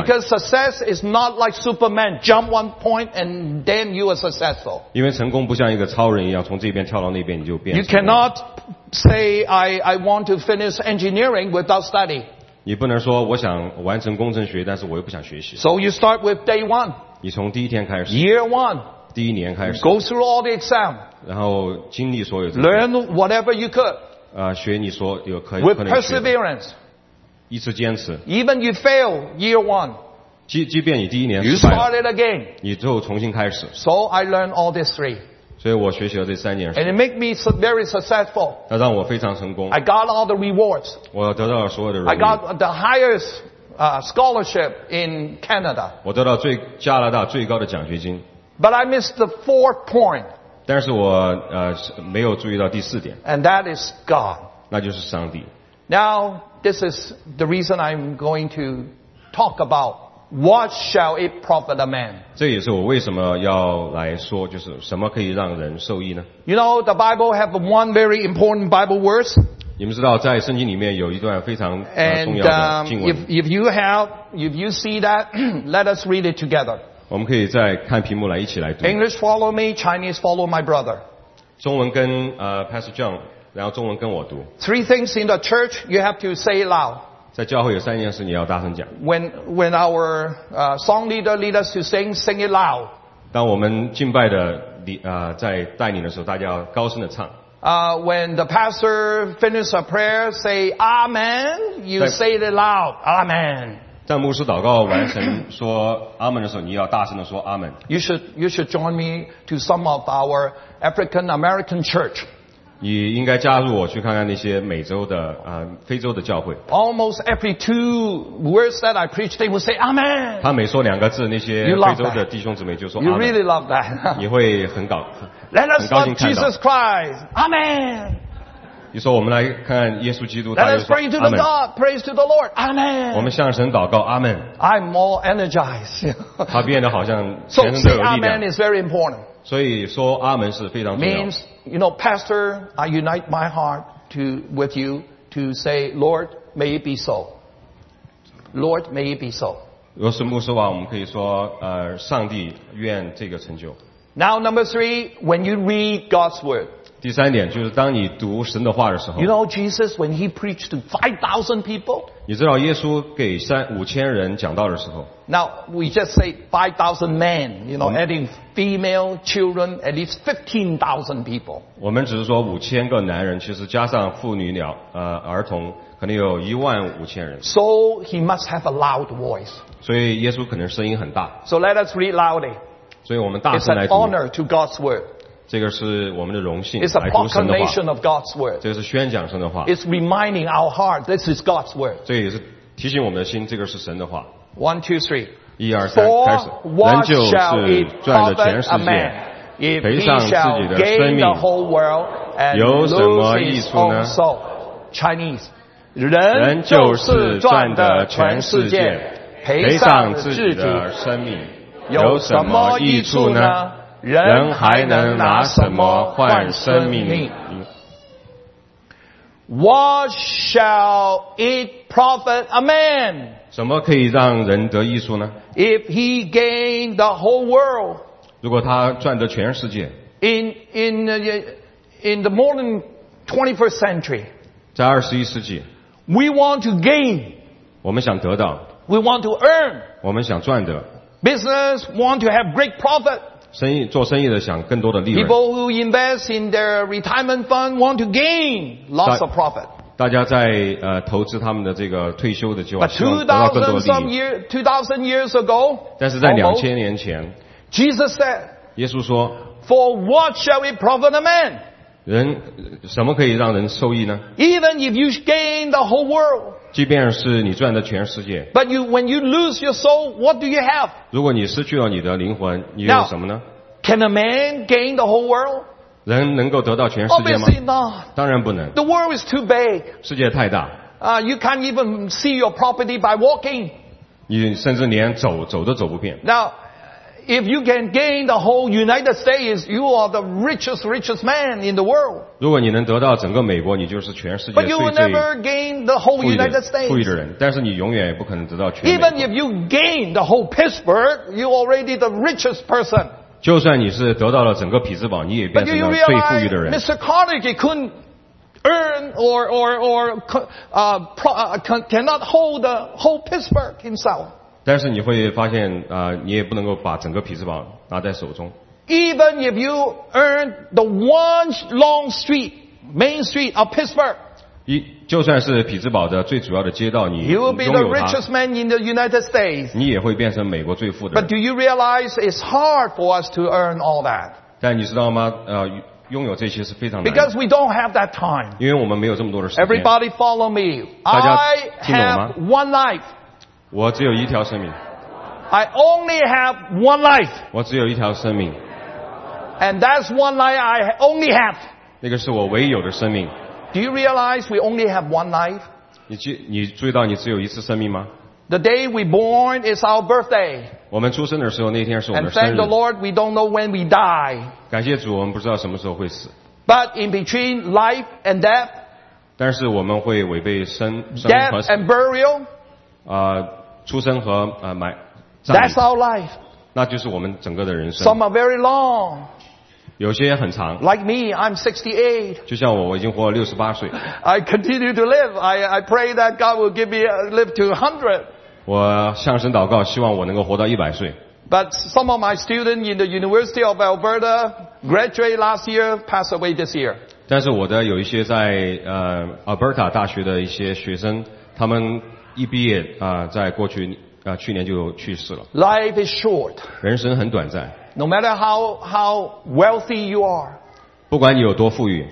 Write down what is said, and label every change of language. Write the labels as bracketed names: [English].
[English] because success is not like Superman jump one point and then you are successful. [Chinese] 因为成功不像一个超人一样从这边跳到那边你就变成 [English] you cannotSay I want to finish engineering without study. [Chinese] 你不能说我想完成工程学，但是我又不想学习。 [English] So you start with day one. [Chinese] 你从第一天开始。 [English] Year one. [Chinese] 第一年开始。 [English] Go through all the exam. [Chinese] 然后经历所有。 [English] Learn whatever you could. [Chinese] 学你说有可以。 [English] With perseverance. [Chinese] 一直坚持。 [English] Even you fail year one, [Chinese] 即便你第一年失败了， [English] you start it again, [Chinese] 你就重新开始。 [English] So I learned all these three. [Chinese] 所以我学习了这三件事。 [English] And it made me very successful. [Chinese] 它让我非常成功。 [English] I got all the rewards. [Chinese] 我得到了所有的荣誉。 [English] I got the highest scholarship in Canada. [Chinese] 我得到最加拿大最高的奖学金。 [English] But I missed the fourth point. [Chinese] 但是我没有注意到第四点。 [English] And that is God. [Chinese] 那就是上帝。 [English] Now, this is the reason I'm going to talk about what shall it profit a man. [Chinese] 这也是我为什么要来说，就是什么可以让人受益呢？ [English] You know, the Bible have one very important Bible verse. [Chinese] 你们知道在圣经里面有一段非常重要的经文。 [English] If you see that, let us read it together. [Chinese] 我们可以再看屏幕来一起来读。 [English] English follow me, Chinese follow my brother. [Chinese] 中文跟Pastor John。然后中文跟我读。 [English] Three things in the church you have to say loud. [Chinese] 在教会有三件事你要大声讲。 [English] When our song leader lead us to sing, sing it loud. [Chinese] 当我们敬拜的在带领的时候，大家要高声的唱。 [English] When the pastor finishes a prayer, say Amen. You say it loud. Amen. [Chinese] 在牧师祷告完成说阿门的时候，你要大声的说阿门。 [English] You should join me to some of our African American church. [Chinese] 你应该加入我去看看那些美洲的非洲的教会。 [English] Almost every two words that I preach, they will say Amen. [Chinese] 他每说两个字，那些非洲的弟兄姊妹就说 Amen. [English] You really love that. [Chinese] 你会很高兴看到。 [English] Let us love Jesus Christ. Amen. [Chinese] 你说我们来看看耶稣基督，他就说 [English] Amen. Let us pray to the God, praise to the Lord. Amen. [Chinese] 我们向神祷告 Amen. [English] I'm more energized. [Chinese] 他变得好像全身都有力量。 [English] So say Amen is very important. [Chinese] 所以说阿门是非常重要的。 [English] Means, you know, Pastor, I unite my heart to, with you to say, Lord, may it be so. Lord, may it be so. [Chinese] 若是牧师的话，我们可以说，上帝愿这个成就。 [English] Now, number three, when you read God's word. [Chinese] 第三点就是当你读神的话的时候。 [English] You know, Jesus, when he preached to 5,000 people. [Chinese] 你知道耶稣给5,000人讲道的时候。 [English] Now, we just say 5,000 men, you know, adding female, children, at least 15,000 people. [Chinese] 我们只是说5,000个男人，其实加上妇女了，儿童，可能有15,000人。 [English] So, he must have a loud voice. [Chinese] 所以耶稣可能声音很大。 [English] So, let us read loudly. [Chinese] 所以我们大声来读。 [English] It's an honor to God's word. [Chinese] 这个是我们的荣幸。 [English] It's a proclamation of God's word. [Chinese] 这个是宣讲神的话。 [English] It's reminding our heart, this is God's word. [Chinese] 这个也是提醒我们的心，这个是神的话。 [English] One, two, three. [Chinese] 一二三，开始。人就是赚了全世界，赔上自己的生命，有什么益处呢 [English] ？Chinese， [Chinese] 人就是赚的全世界，赔上自己的生命，有什么益处呢？人还能拿什么换生命 [English] ？What shall it profit a man？ [Chinese] 什么可以让人得益处呢 [English] ？If he gain the whole world， [Chinese] 如果他赚得全世界 [English] ，in the modern 21st century， [Chinese] 在21世纪 [English] ，we want to gain， [Chinese] 我们想得到 [English] ，we want to earn， [Chinese] 我们想赚得 [English] ，business want to have great profit， [Chinese] 生意做生意的想更多的利润 [English] ，people who invest in their retirement fund want to gain lots of profit。 [Chinese] 大家在投资他们的这个退休的计划，希望得到更多的利益。 [English] But 2,000 years ago, [Chinese] 但是在2,000年前 [English] ，Jesus said, [Chinese] 耶稣说 [English] ，For what shall it profit a man? [Chinese] 人什么可以让人受益呢 [English] ？Even if you gain the whole world, [Chinese] 即便是你赚的全世界 [English] ，But you when you lose your soul, what do you have? [Chinese] 如果你失去了你的灵魂，你有什么呢 [English] ？Can a man gain the whole world? [Chinese] 人能够得到全世界吗？当然不能。 [English] The world is too big. [Chinese] 世界太大。 [English] You can't even see your property by walking. [Chinese] 你甚至连走都走不遍。 [English] Now, if you can gain the whole United States, you are the richest man in the world. [Chinese] 如果你能得到整个美国，你就是全世界最富裕的人。 [English] But you will never gain the whole United States. [Chinese] 富裕的人，但是你永远也不可能得到全美国。 [English] Even if you gain the whole Pittsburgh, you already the richest person. [Chinese] 就算你是得到了整个匹兹堡，你也变成了最富裕的人。 [English] Mr. Carnegie couldn't earn cannot hold the whole Pittsburgh himself. [Chinese] 但是你会发现，你也不能够把整个匹兹堡拿在手中。 [English] Even if you earn the one long street, Main Street of Pittsburgh. [Chinese] 就算是匹兹堡的最主要的街道，你拥有它。 [English] You will be the richest man in the United States. [Chinese] 你也会变成美国最富的人。 [English] But do you realize it's hard for us to earn all that? [Chinese] 但你知道吗？拥有这些是非常难的。 [English] Because we don't have that time. [Chinese] 因为我们没有这么多的时间。 [English] Everybody follow me. [Chinese] 大家听懂吗？ [English] I have one life. [Chinese] 我只有一条生命。 [English] I only have one life. [Chinese] 我只有一条生命。 [English] And that's one life I only have. [Chinese] 那个是我唯有的生命。 [English] Do you realize we only have one life? [Chinese] 你注意到你只有一次生命吗？ [English] The day we born is our birthday. [Chinese] 我们出生的时候那天是我们的生日。 [English] And thank the Lord we don't know when we die. [Chinese] 感谢主，我们不知道什么时候会死。 [English] But in between life and death, [Chinese] 但是我们会违背生和死。 [English] Death and burial, [Chinese] 出生和埋葬。 [English] That's our life. [Chinese] 那就是我们整个的人生。 [English] Some are very long. [Chinese] 有些很长。 [English] Like me, I'm 68. [Chinese] 就像我已经活了68岁。 [English] I continue to live. I pray that God will give me live to 100. [Chinese] 我向神祷告，希望我能够活到100岁。 [English] But some of my students in the University of Alberta graduated last year, passed away this year. [Chinese] 但是我的有一些在Alberta 大学的一些学生，他们一毕业在过去去年就去世了。 [English] Life is short. [Chinese] 人生很短暂。 [English] No matter how wealthy you are, [Chinese] 不管你有多富裕，